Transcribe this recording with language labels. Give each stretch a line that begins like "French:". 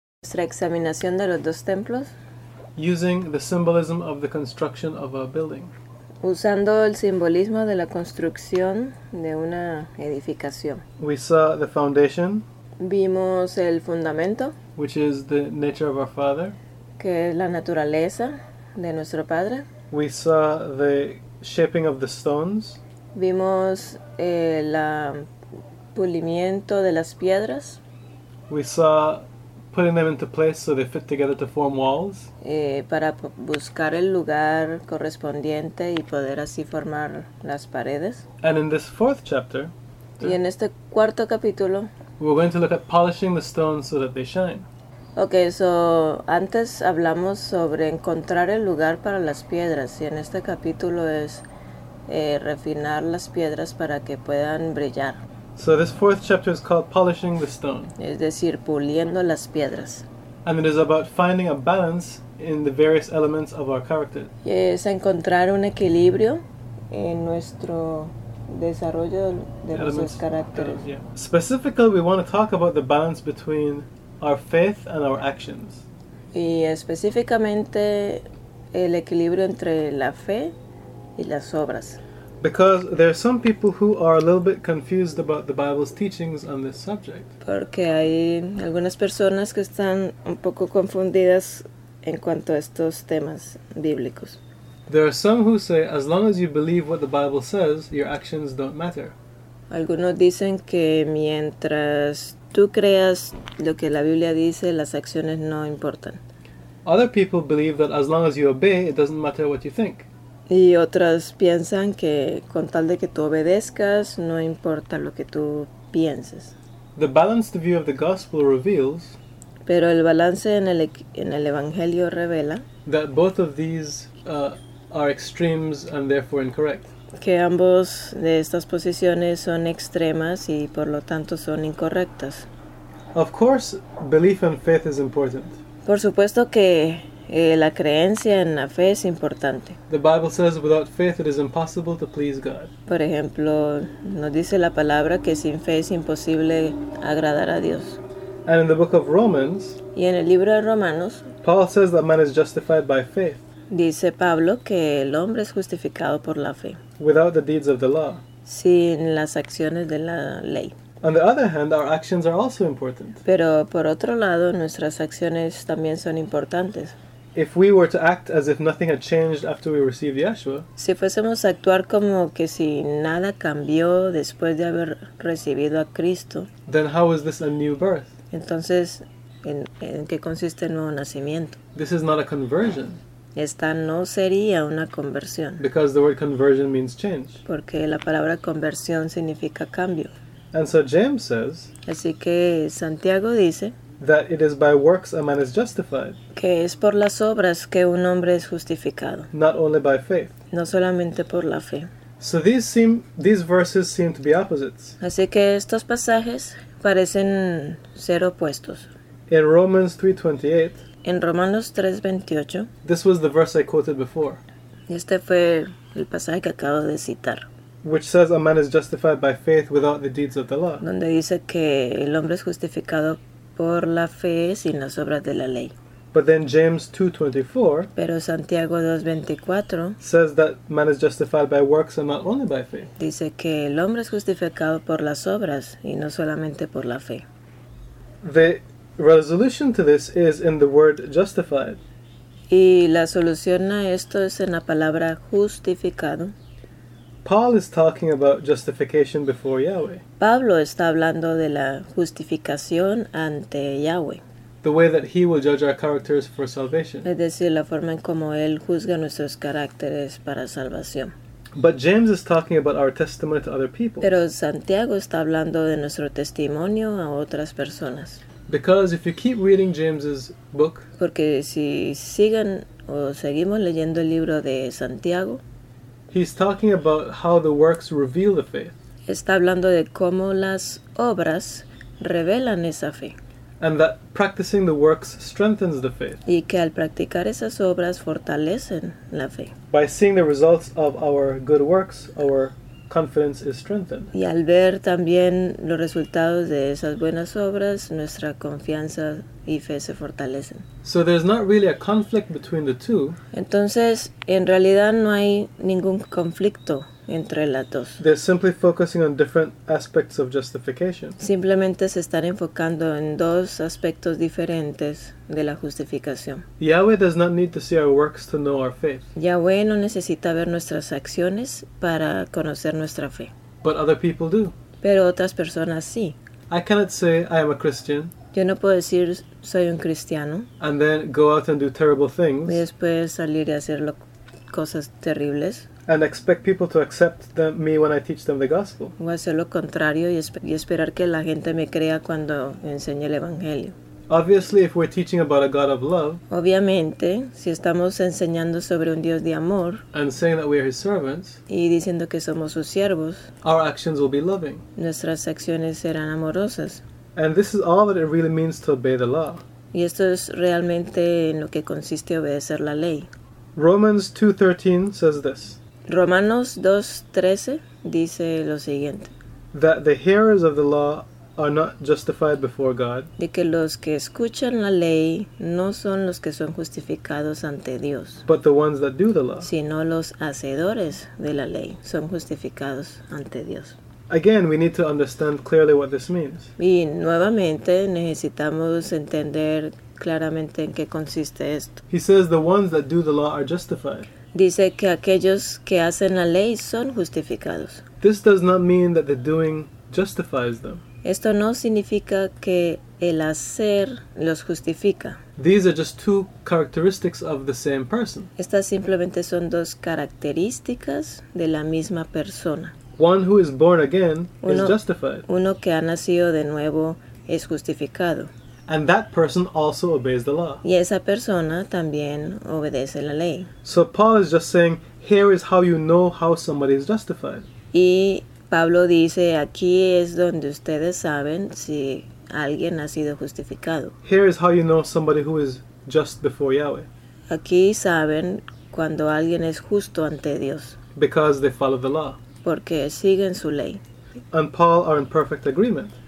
Spanish: nuestra examinación de los dos templos.
English: Using the symbolism of the construction of a building.
Spanish: Usando el simbolismo de la construcción de una edificación.
English: We saw the foundation.
Spanish: Vimos el fundamento.
English: Which is the nature of our father.
Spanish: Que es la naturaleza de nuestro padre.
English: We saw the shaping of the stones.
Spanish: Vimos el pulimiento de las piedras.
English: We saw putting them into place so they fit together to form walls.
Spanish: Para buscar el lugar correspondiente y poder así formar las paredes.
English: And in this fourth chapter,
Spanish: y en este cuarto capítulo,
English: we're going to look at polishing the stones so that they shine. Okay, so
Spanish: antes hablamos sobre encontrar el lugar para las piedras, y en este capítulo es refinar las piedras para que puedan brillar.
English: So this fourth chapter is called Polishing the Stone.
Spanish: Es decir, puliendo las piedras.
English: And it is about finding a balance in the various elements of our character.
Spanish: Y es encontrar un equilibrio en nuestro desarrollo de nuestros caracteres.
English: Specifically, we want to talk about the balance between our faith and our actions.
Spanish: Y específicamente el equilibrio entre la fe y las obras.
English: Because there are some people who are a little bit confused about the Bible's teachings on this subject.
Spanish: Porque hay algunas personas que están un poco confundidas en cuanto a estos temas bíblicos.
English: There are some who say, as long as you believe what the Bible says, your actions don't matter.
Spanish: Algunos dicen que mientras tú creas lo que la Biblia dice, las acciones no importan.
English: Other people believe that as long as you obey, it doesn't matter what you think.
Spanish: Y otras piensan que con tal de que tú obedezcas, no importa lo que tú pienses.
English: The balanced view of the gospel reveals.
Spanish: Pero el balance en el evangelio revela.
English: That both of these are extremes and therefore incorrect.
Spanish: Que ambos de estas posiciones son extremas y por lo tanto son incorrectas.
English: Of course, belief and faith is important.
Spanish: Por supuesto que la creencia en la fe es importante.
English: The Bible says without faith it is impossible to please God.
Spanish: Por ejemplo, nos dice la palabra que sin fe es imposible agradar a Dios.
English: And in the book of Romans,
Spanish: y en el libro de Romanos,
English: Paul says that man is justified by faith.
Spanish: Dice Pablo que el hombre es justificado por la fe.
English: Without the deeds of the law.
Spanish: Sin las acciones de la ley.
English: On the other hand, our actions are also important.
Spanish: Pero por otro lado, nuestras acciones también son importantes.
English: If we were to act as if nothing had changed after we received Yeshua,
Spanish: si fuésemos a actuar como que si nada cambió después de haber recibido a Cristo,
English: then how is this a new birth?
Spanish: Entonces, ¿en qué consiste el nuevo nacimiento?
English: This is not a conversion.
Spanish: Esta no sería una conversión.
English: Because the word conversion means change.
Spanish: Porque la palabra conversión significa cambio.
English: And so James says,
Spanish: así que Santiago dice,
English: that it is by works a man is justified.
Spanish: Que es por las obras que un hombre es justificado.
English: Not only by faith.
Spanish: No solamente por la fe.
English: So these verses seem to be opposites.
Spanish: Así que estos pasajes parecen ser opuestos.
English: In Romans 3:28,
Spanish: en Romanos 3:28,
English: this was the verse I quoted before.
Spanish: Este fue el pasaje que acabo de citar.
English: Which says a man is justified by faith without the deeds of the law.
Spanish: Donde dice que el hombre es justificado por la fe sin las obras de la ley.
English: But then James 2:24.
Spanish: Pero Santiago 2:24.
English: Says that man is justified by works and not only by faith.
Spanish: Dice que el hombre es justificado por las obras y no solamente por la fe.
English: The resolution to this is in the word justified.
Spanish: Y la solución a esto es en la palabra justificado.
English: Paul is talking about justification before Yahweh.
Spanish: Pablo está hablando de la justificación ante Yahweh.
English: The way that he will judge our characters for salvation.
Spanish: Es decir, la forma en como él juzga nuestros caracteres para salvación.
English: But James is talking about our testimony to other people.
Spanish: Pero Santiago está hablando de nuestro testimonio a otras personas.
English: Because if you keep reading James's book,
Spanish: porque si siguen o seguimos leyendo el libro de Santiago,
English: he's talking about how the works reveal the faith.
Spanish: Está hablando de cómo las obras revelan esa fe.
English: And that practicing the works strengthens the faith.
Spanish: Y que al practicar esas obras fortalecen la fe.
English: By seeing the results of our good works, our confidence is strengthened.
Spanish: Y al ver también los resultados de esas buenas obras, nuestra confianza y fe se fortalecen.
English: So there's not really a conflict between the two.
Spanish: Entonces, en realidad no hay ningún conflicto entre las dos.
English: They're simply focusing on different aspects of justification.
Spanish: Simplemente se están enfocando en dos aspectos diferentes de la justificación.
English: Yahweh does not need to see our works to know our faith.
Spanish: Yahweh no necesita ver nuestras acciones para conocer nuestra fe.
English: But other people do.
Spanish: Pero otras personas sí.
English: I cannot say I am a Christian.
Spanish: Yo no puedo decir soy un cristiano.
English: And then go out and do terrible things.
Spanish: Y después salir y hacer cosas terribles.
English: And expect people to accept me when I teach them the gospel.
Spanish: O hacer lo contrario y esperar que la gente me crea cuando enseñe el evangelio.
English: Obviously, if we're teaching about a God of love,
Spanish: obviamente, si estamos enseñando sobre un Dios de amor,
English: and saying that we are his servants,
Spanish: y diciendo que somos sus siervos,
English: our actions will be loving.
Spanish: Nuestras acciones serán amorosas.
English: And this is all that it really means to obey the law.
Spanish: Y esto es realmente en lo que consiste obedecer la ley.
English: Romans 2:13 says this.
Spanish: Romanos 2:13 dice lo siguiente.
English: That the hearers of the law are not justified before God.
Spanish: De que los que escuchan la ley no son los que son justificados ante Dios.
English: But the ones that do the law.
Spanish: Sino los hacedores de la ley son justificados ante Dios.
English: Again, we need to understand clearly what this means.
Spanish: Y nuevamente necesitamos entender claramente en qué consiste esto.
English: He says the ones that do the law are justified.
Spanish: Dice que aquellos que hacen la ley son justificados.
English: This does not mean that the doing justifies them.
Spanish: Esto no significa que el hacer los justifica.
English: These are just two characteristics of the same person.
Spanish: Estas simplemente son dos características de la misma persona.
English: One who is born again is justified.
Spanish: Uno que ha nacido de nuevo es justificado.
English: And that person also obeys the law.
Spanish: Y esa persona también obedece la ley.
English: So Paul is just saying, here is how you know how somebody is justified.
Spanish: Y Pablo dice, aquí es donde ustedes saben si alguien ha sido justificado.
English: Here is how you know somebody who is just before Yahweh.
Spanish: Aquí saben cuando alguien es justo ante Dios.
English: Because they follow the law.
Spanish: Porque siguen su ley.
English: And Paul are in perfect agreement.